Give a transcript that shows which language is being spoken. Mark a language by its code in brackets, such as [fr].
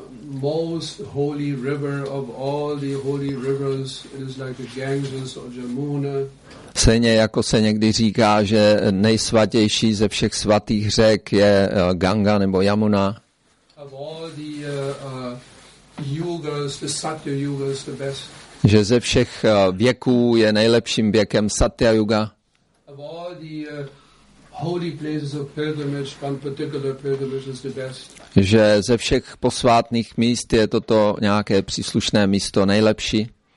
[en] Most holy river of all the holy rivers is like the Ganges or Jamuna. [cs] Stejně jako se někdy říká, že nejsvatější ze všech svatých řek je Ganga nebo Jamuna. [en] Of all the yugas, the Satya yuga is the best. [cs] Že ze všech věků je nejlepším věkem Satya yuga. [en] Of all the holy places of pilgrimage, one particular pilgrimage is the best. [cs] Že ze všech posvátných míst je toto nějaké příslušné místo nejlepší.